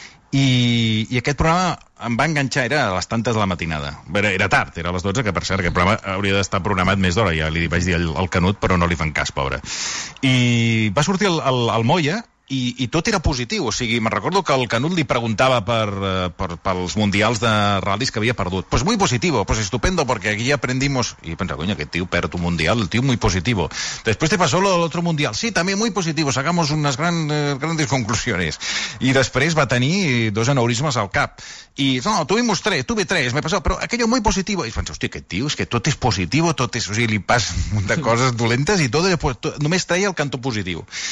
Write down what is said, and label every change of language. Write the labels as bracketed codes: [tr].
[ca] I aquest programa em va enganxar, era a les tantes de la matinada. Era tard, era a les 12, que per cert, aquest programa hauria d'estar programat més d'hora, ja li vaig dir al Canut, però no li fan cas, pobre. I va sortir el Moya, I tot era positiu, o sigui, me recordo que el Canut li preguntava pels mundials de ral·lis que havia perdut. [es] Pues muy positivo, pues estupendo, porque aquí aprendimos... [ca] I pensa, coño, aquest tio perd un mundial, el tio [es] muy positivo. Después te pasó l'altre mundial. Sí, també muy positivo, sacamos unas grandes conclusiones. [ca] I després va tenir dos aneurismes al cap. I, [es] no, tuve tres, me pasó, [ca] però [es] aquello muy positivo. [ca] I pensa, hòstia, aquest tio, és que tot és positivo, tot és... O sigui, li passa un munt de coses dolentes i tot, pues, només traia el cantó positiu.